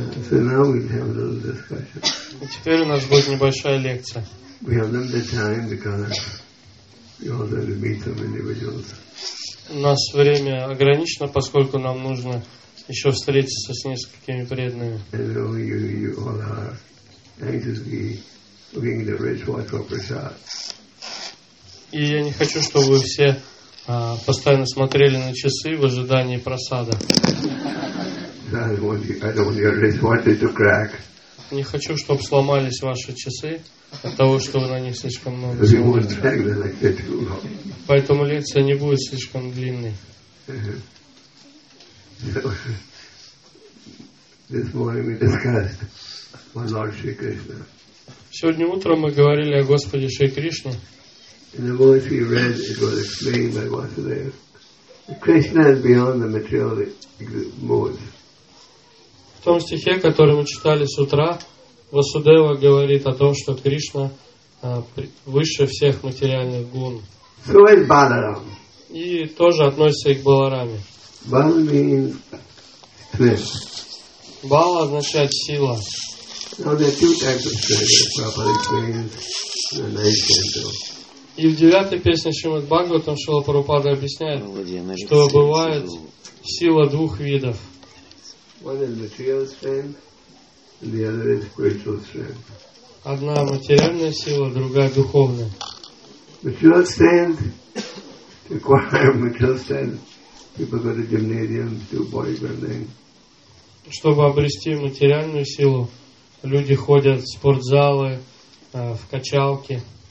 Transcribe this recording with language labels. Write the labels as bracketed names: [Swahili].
[English] So now we have a little discussion. [Russian] И теперь у нас будет небольшая лекция. [English] We have limited time because we also have to meet some individuals. [Russian] У нас время ограничено, поскольку нам нужно еще встретиться с несколькими преданными. [English] And you all are anxiously looking at rich white prasad. [Russian] И я не хочу, чтобы вы все постоянно смотрели на часы в ожидании просада. [English] I don't want your wristwatches to crack. [Russian] Не хочу, чтобы сломались ваши часы от того, что вы на них слишком много смотрите. Поэтому лекция не будет слишком длинной. [English] This morning we discussed one Lord Shri Krishna. [Russian] Сегодня утром мы говорили о Господе Шри Кришне. [English] In the voice he read, it was explained by Vasudeva. Krishna is beyond the material mode. [Russian] В том стихе, который мы читали с утра, Васудева говорит о том, что Кришна выше всех материальных гун. [English] So is Balaram. [Russian] И тоже относится и к Балараме. [English] Bal means strength. [Russian] Бал означает сила. [English] Now there are two types of strength, Prabhupada explains in the 9th canto. [Russian] И в 9-й песне Шримад Бхагаватам Шрила Прабхупада объясняет, что бывает сила двух видов. [English] One is material strength, and the other is spiritual strength. [Russian] Одна материальная сила, другая духовная. [English] Material strength, to acquire material strength, people go to gymnasium, do bodybuilding. [Russian] Чтобы обрести материальную силу, люди ходят в спортзалы, в качалки.